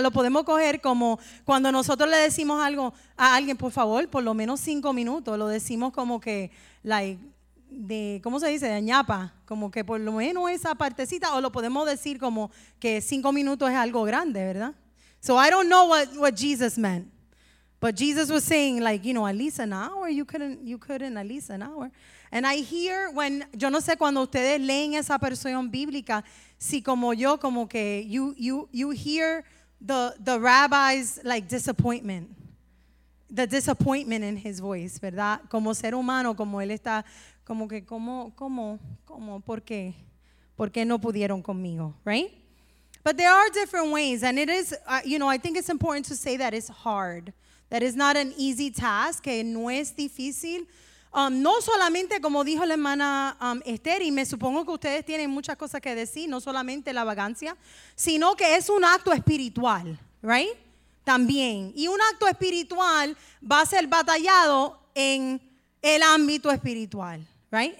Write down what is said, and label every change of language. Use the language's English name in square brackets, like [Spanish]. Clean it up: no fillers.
[Spanish] Lo podemos coger como cuando nosotros le decimos algo a alguien, por favor, por lo menos 5 minutos. Lo decimos como que, like, de, ¿cómo se dice? De ñapa. Como que por lo menos esa partecita. O lo podemos decir como que 5 minutos es algo grande, ¿verdad? [English] So I don't know what Jesus meant. But Jesus was saying, like, you know, at least an hour. You couldn't at least an hour. And I hear when, [Spanish] yo no sé cuando ustedes leen esa versión bíblica, si como yo, como que [English] you hear the rabbi's, like, disappointment. The disappointment in his voice, ¿verdad? [Spanish] Como ser humano, como él está, como que, ¿cómo, por qué no pudieron conmigo, right? [English] But there are different ways, and it is, you know, I think it's important to say that it's hard. That is not an easy task, [Spanish] que no es difícil. No solamente, como dijo la hermana Esther, y me supongo que ustedes tienen muchas cosas que decir, no solamente la vagancia, sino que es un acto espiritual, right? También. Y un acto espiritual va a ser batallado en el ámbito espiritual, right?